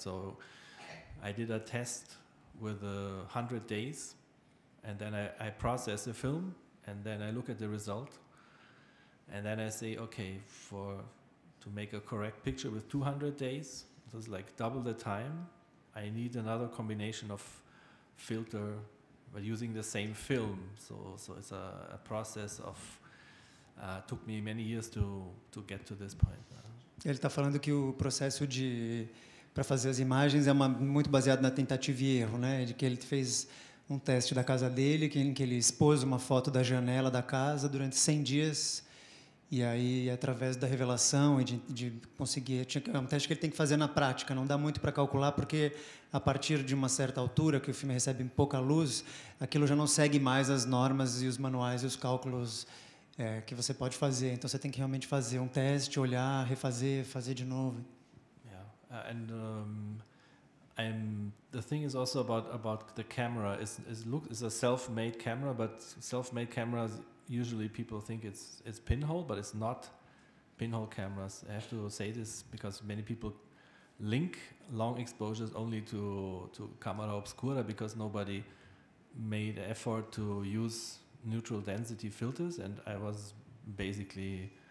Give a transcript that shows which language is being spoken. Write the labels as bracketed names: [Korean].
[English] So I did a test with 100 days, and then I process the film, and then I look at the result, and then I say, okay, to make a correct picture with 200 days, this is like double the time. I need another combination of filter, but using the same film. So it's a process of took me many years to get to this point. [Portuguese] Ele está falando que o processo de para fazer as imagens é muito baseado na tentativa e erro, né? De que ele fez um teste da casa dele, que ele expôs uma foto da janela da casa durante 100 dias. E aí, através da revelação e de conseguir... É um teste que ele tem que fazer na prática, não dá muito para calcular, porque, a partir de uma certa altura, que o filme recebe pouca luz, aquilo já não segue mais as normas e os manuais e os cálculos que você pode fazer. Então, você tem que realmente fazer um teste, olhar, refazer, fazer de novo. Yeah. [English] And the thing is also about the camera. It's a self-made camera, but self-made cameras... Usually people think it's pinhole, but it's not pinhole cameras. I have to say this because many people link long exposures only to camera obscura because nobody made effort to use neutral density filters, and I was basically